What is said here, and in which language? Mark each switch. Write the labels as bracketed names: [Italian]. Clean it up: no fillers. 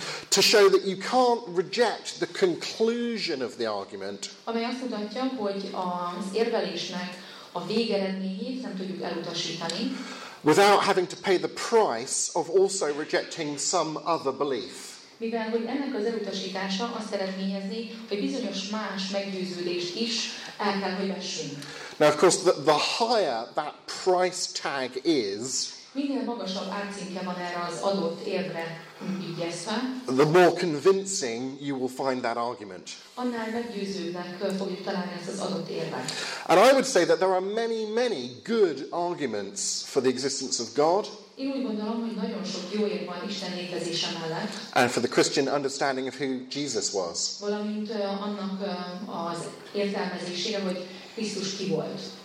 [English] To show that you can't reject the conclusion of the argument. [Hungarian] Amely azt mutatja, hogy az érvelésnek a végeredményét nem tudjuk elutasítani. [English] Without having to pay the price of also rejecting some other belief. [Hungarian] Mivel hogy ennek az elutasítása azt eredményezi, hogy bizonyos más meggyőződés is el kell, hogy vessünk. [English] Now of course the higher that price tag is. [Hungarian] Minél magasabb árcinke van erre az adott érvre ügyeszve, [English] the more convincing you will find that argument. [Hungarian] Annál meggyőzőbbnek fogjuk találni ezt az adott érvet. [English] And I would say that there are many, many good arguments for the existence of God. [Hungarian] Én úgy gondolom, hogy nagyon sok jó érv van Isten létezése mellett. [English] And for the Christian understanding of who Jesus was. [Hungarian] Valamint annak az értelmezésére, hogy Krisztus ki volt.